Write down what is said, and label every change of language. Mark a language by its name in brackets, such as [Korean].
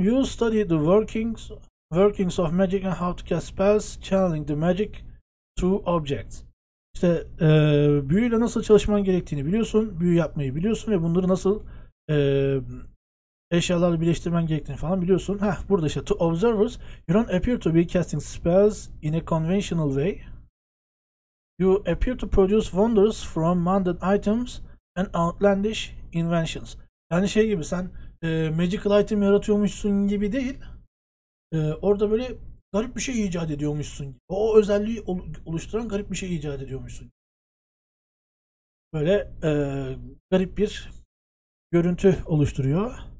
[English] You study the workings of magic and how to cast spells, channeling the magic through objects. [Turkish] İşte büyüyle nasıl çalışman gerektiğini biliyorsun, büyü yapmayı biliyorsun ve bunları nasıl eşyalarla birleştirmen gerektiğini falan biliyorsun. Ha, burada işte [English] to observers, you don't appear to be casting spells in a conventional way. You appear to produce wonders from mundane items and outlandish inventions. [Turkish] Yani şey gibi, sen magical item yaratıyormuşsun gibi değil. Orada böyle garip bir şey icat ediyormuşsun. O özelliği oluşturan garip bir şey icat ediyormuşsun. Böyle garip bir görüntü oluşturuyor.